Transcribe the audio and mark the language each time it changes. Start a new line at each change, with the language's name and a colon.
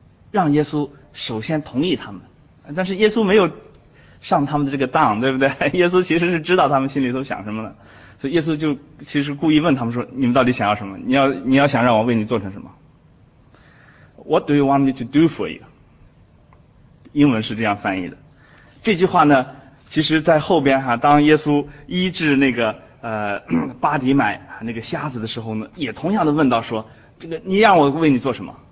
Chinese: 让耶稣首先同意他们，但是耶稣没有上他们的这个当，对不对？耶稣其实是知道他们心里头想什么的，所以耶稣就其实故意问他们说，你们到底想要什么？你要想让我为你做成什么？
English: What do you want me to do for you?
Chinese: 英文是这样翻译的。这句话呢，其实在后边哈，当耶稣医治那个巴迪买那个瞎子的时候呢，也同样的问到说，这个你让我为你做什么？